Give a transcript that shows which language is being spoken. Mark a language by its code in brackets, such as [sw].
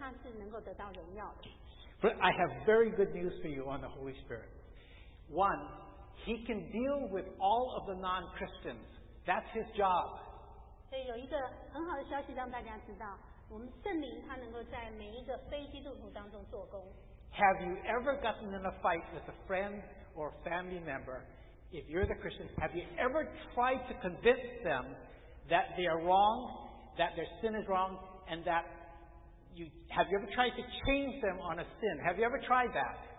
[zh] 如果说我们能够把这些事讲得清楚，那神他是能够得到荣耀的。 [en] But I have very good news for you on the Holy Spirit. One, He can deal with all of the non-Christians. That's His job. [zh] 所以有一个很好的消息让大家知道，我们圣灵他能够在每一个非基督徒当中做工。 [en] Have you ever gotten in a fight with a friend or a family member? If you're the Christian, have you ever tried to convince them that they are wrong, that their sin is wrong, and that you have you ever tried to change them on a sin? Have you ever tried that?